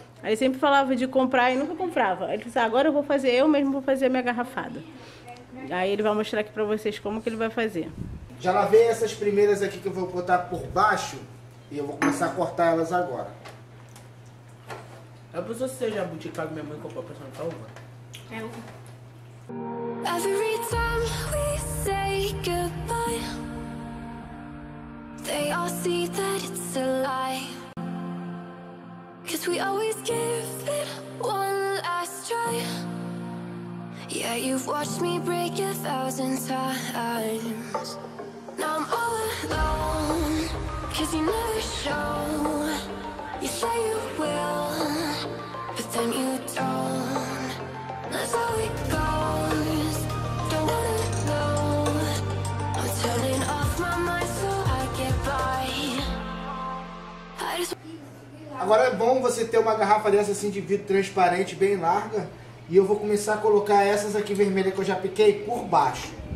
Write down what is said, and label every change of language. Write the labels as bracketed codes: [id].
[pt] Ele sempre falava de comprar e nunca comprava. Ele disse, agora eu vou fazer, eu mesmo vou fazer a minha garrafada. Aí ele vai mostrar aqui pra vocês como que ele vai fazer. Já lavei essas primeiras aqui que eu vou botar por baixo e eu vou começar a cortar elas agora. É preciso ser jabuticaba, minha mãe comprou pra São Paulo. É uva. [en] Every time we say goodbye, they all see that it's a lie. Cause we always give it one last try. Yeah, you've watched me break a thousand times. Now I'm all alone, cause you never show. You say you will, but then you don't. That's how it goes, don't wanna know. I'm turning off my mind so I get by. I just... [pt] Agora é bom você ter uma garrafa dessa assim de vidro transparente, bem larga. E eu vou começar a colocar essas aqui vermelhas que eu já piquei por baixo.